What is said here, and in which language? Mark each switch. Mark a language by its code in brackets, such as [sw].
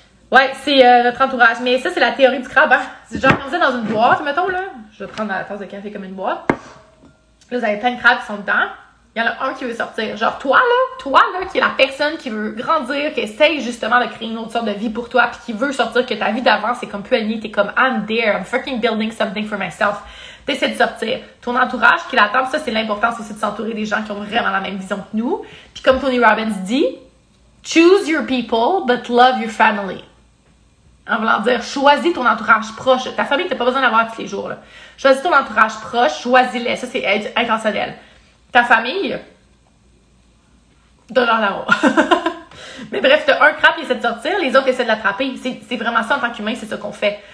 [fr] Ouais, c'est notre entourage. Mais ça, c'est la théorie du crabe, hein. C'est genre, comme ça, dans une boîte, mettons, là. Je vais prendre la tasse de café comme une boîte. Là, vous avez plein de crabes qui sont dedans. Il y en a un qui veut sortir. Genre, toi, là, qui est la personne qui veut grandir, qui essaye justement de créer une autre sorte de vie pour toi, puis qui veut sortir, que ta vie d'avant, c'est comme plus alignée. T'es comme, [en] I'm there, I'm fucking building something for myself. [fr] T'essaies de sortir. Ton entourage qui l'attend, ça, c'est l'importance aussi de s'entourer des gens qui ont vraiment la même vision que nous. Puis comme Tony Robbins dit, [en] choose your people, but love your family. [fr] En voulant dire, choisis ton entourage proche. Ta famille, t'as pas besoin d'avoir tous les jours, là. Choisis ton entourage proche, choisis-les. Ça, c'est être intentionnel. Ta famille, donne-leur là-haut. Mais bref, t'as un crabe qui essaie de sortir, les autres essaient de l'attraper. C'est vraiment ça en tant qu'humain, c'est ça qu'on fait.